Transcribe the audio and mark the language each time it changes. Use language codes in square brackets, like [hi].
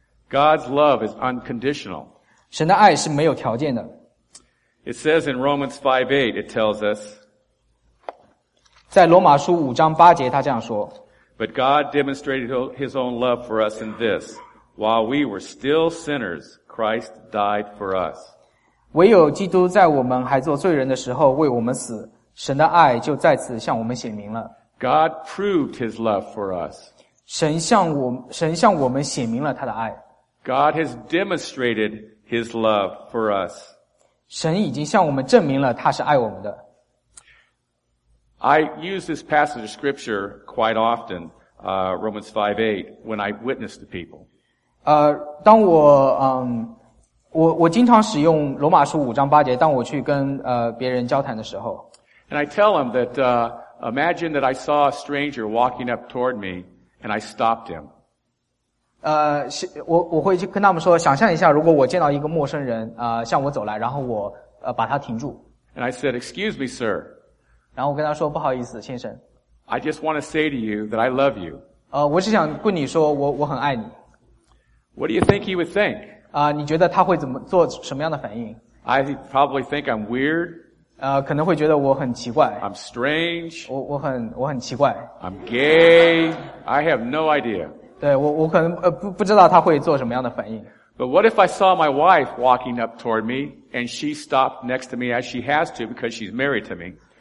[en] God's love is unconditional. [zh] 神的爱是没有条件的。 [en] It says in Romans 5:8, it tells us. [zh] 在罗马书五章八节，他这样说。 [en] But God demonstrated His own love for us in this: while we were still sinners, Christ died for us. [zh] 唯有基督在我们还做罪人的时候为我们死，神的爱就在此向我们显明了。 [en] God proved His love for us. [zh] 神向我们显明了他的爱。 [en] God has demonstrated His love for us. [zh] 神已经向我们证明了他是爱我们的。 [en] I use this passage of scripture quite often, Romans 5:8, when I witness to people. [zh] 当我我经常使用罗马书五章八节，当我去跟别人交谈的时候。 [en] And I tell him that, imagine that I saw a stranger walking up toward me and I stopped him. [zh] 我会去跟他们说，想象一下如果我见到一个陌生人向我走来，然后我把他停住。 [en] And I said, excuse me, sir. [zh] 然后我跟他说，不好意思，先生。 [en] I just want to say to you that I love you. [zh] 我是想跟你说我很爱你。 [en] What do you think he would think? [zh] 你觉得他会怎么做什么样的反应？ [en] I probably think I'm weird. [zh] 可能会觉得我很奇怪。 [en] I'm strange. [zh] 我很奇怪。 [en] I'm gay. I have no idea. [zh] 对，我可能不知道他会做什么样的反应。 [en] But what if I saw my wife walking up toward me and she stopped next to me as she has to because she's married to me?